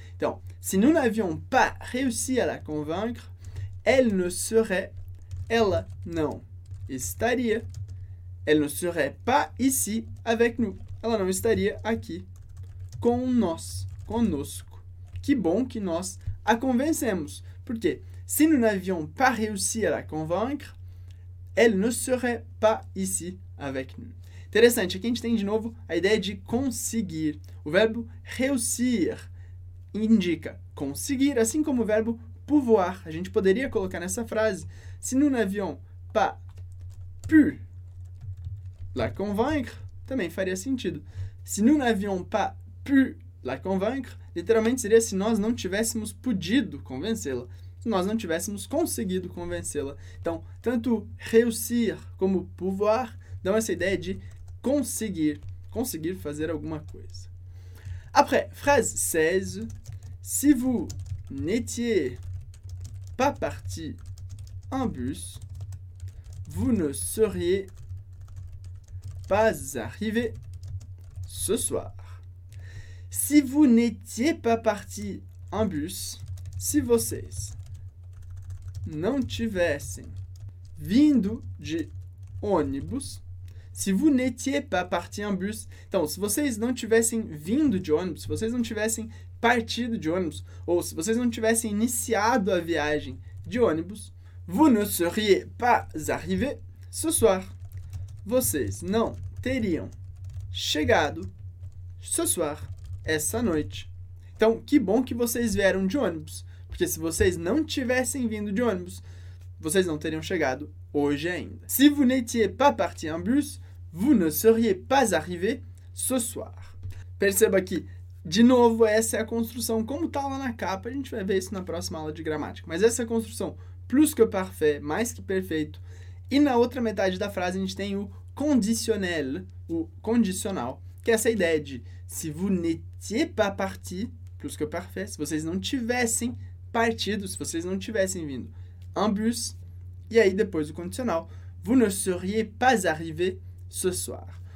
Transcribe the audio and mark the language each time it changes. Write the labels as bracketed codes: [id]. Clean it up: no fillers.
[fr] Então, si nous n'avions pas réussi à la convaincre, [pt] ela não estaria, [fr] elle ne serait pas ici avec nous. [pt] Ela não estaria aqui com nós, conosco. Que bom que nós a convencemos. Porque [fr] si nous n'avions pas réussi à la convaincre, elle ne serait pas ici avec nous. [pt] Interessante, aqui a gente tem de novo a ideia de conseguir. O verbo réussir indica conseguir, assim como o verbo pouvoir. A gente poderia colocar nessa frase: [fr] Si nous n'avions pas pu la convaincre, [pt] também faria sentido. [fr] Si nous n'avions pas pu la convaincre, [pt] Literalmente seria se nós não tivéssemos podido convencê-la. Se nós não tivéssemos conseguido convencê-la. Então, tanto réussir como pouvoir dão essa ideia de conseguir. Conseguir fazer alguma coisa. [fr] Après, phrase 16. Si vous n'étiez pas parti en bus, vous ne seriez pas arrivé ce soir. Si vous n'étiez pas parti en bus, [pt] si vocês não tivessem vindo de ônibus, si vous n'étiez pas parti en bus, então, se vocês não tivessem vindo de ônibus, se vocês não tivessem partido de ônibus, ou se vocês não tivessem iniciado a viagem de ônibus, [fr] vous ne seriez pas arrivé ce soir. [pt] Vocês não teriam chegado [fr] ce soir, [pt] essa noite. Então, que bom que vocês vieram de ônibus, porque se vocês não tivessem vindo de ônibus, vocês não teriam chegado hoje ainda. [fr] Si vous n'étiez pas parti en bus, vous ne seriez pas arrivé ce soir. [pt] Perceba que, de novo, essa é a construção, como está lá na capa, a gente vai ver isso na próxima aula de gramática. Mas essa é a construção plus que parfait, mais que perfeito. E na outra metade da frase a gente tem o conditionnel, o condicional, que é essa ideia de [fr] si vous n'étiez pas parti, [pt] plus que parfait, se vocês não tivessem partido, se vocês não tivessem vindo en bus, e aí depois o condicional, [fr] vous ne seriez pas arrivé ce soir.